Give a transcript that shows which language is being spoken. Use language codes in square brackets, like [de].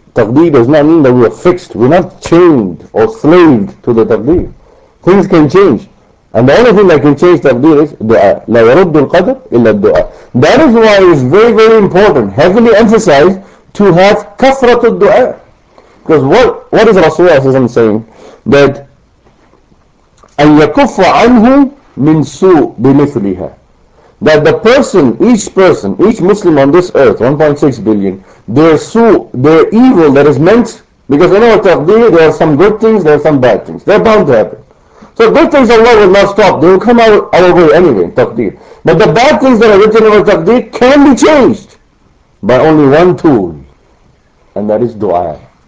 [en] Taqdeer does not mean that we are fixed. We're not chained or slaved to the taqdeer. Things can change. And the only thing that can change taqdeer is dua. [ar] لَا يَرُدُّ الْقَدْرِ إِلَّا الدُّعَى. [en] That is why it's very, very important, heavily emphasized, to have kafrat al-du'a. Because what is Rasulullah saying? That [ar] أَن يَكُفَّ عَنْهُ مِنْ سُوءٍ بِمِثْلِهَا. [en] That the person, each person, each Muslim on this earth, 1.6 billion, their su', their evil that is meant, because in our taqdeer there are some good things, there are some bad things. They're bound to happen. So good things Allah will not stop, they will come out of our way anyway, taqdeer. But the bad things that are written in our taqdeer can be changed by only one tool, and that is dua.